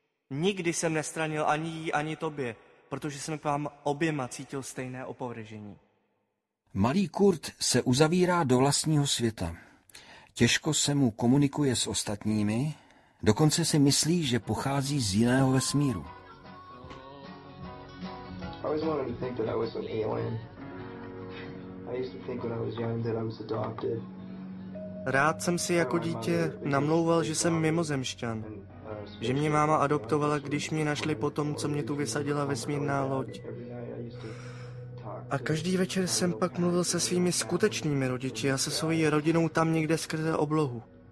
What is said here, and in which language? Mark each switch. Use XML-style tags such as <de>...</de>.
<cs>Nikdy jsem nestranil ani jí, ani tobě, protože jsem k vám oběma cítil stejné opovržení. Malý Kurt se uzavírá do vlastního světa. Těžko se mu komunikuje s ostatními, dokonce si myslí, že pochází z jiného vesmíru.</cs> <en>I always wanted to think that I was an alien. I used to think when I was young that I was adopted.</en> <cs>Rád jsem si jako dítě namlouval, že jsem mimozemšťan. Že mě máma adoptovala, když mě našli po tom, co mě tu vysadila vesmírná loď. A každý večer jsem pak mluvil se svými skutečnými rodiči a se svojí rodinou tam někde skrze oblohu.</cs>